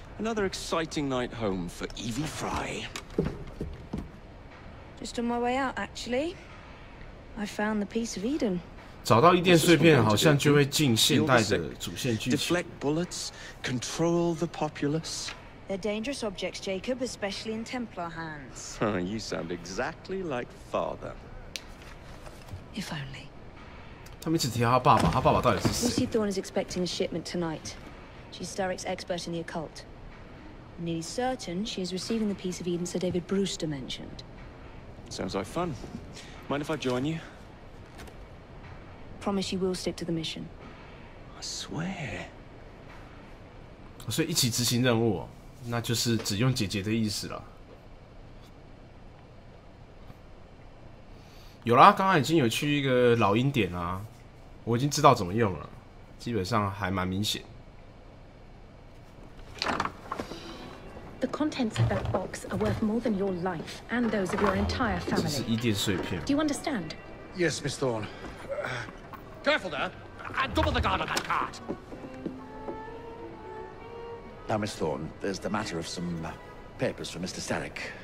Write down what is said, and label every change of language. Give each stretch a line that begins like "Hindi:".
English: Another exciting night home for Evie Fry. Just on my way out, actually. I found the piece of Eden.
Chinese: 找到伊甸碎片，好像就会进现代的主线剧情。
English: Deflect bullets, control the populace. They're dangerous objects, Jacob, especially in Templar hands. You sound exactly like father. If only.
Chinese: 他们一直提到他爸爸，他爸爸到底是谁
English: ？Lucy Thorne is expecting a shipment tonight. She's Starek's expert in the occult. Nearly certain she is receiving the piece of Eden Sir David Brewster mentioned. Sounds like fun. Mind if I join you? Promise you will stick to the mission. I swear.
Chinese: 所以一起执行任务，那就是只用姐姐的意思了。有啦，刚刚已经有去一个老鹰点啊，我已经知道怎么用了，基本上还蛮明显。
English: The contents of that box are worth more than your life and those of your entire family.
Chinese: 这是伊甸碎片。
English: Do you understand? Yes, Miss Thorne. Careful there. And double the guard on that cart. Now, Miss Thorne, there's the matter of some papers for Mr. Starek.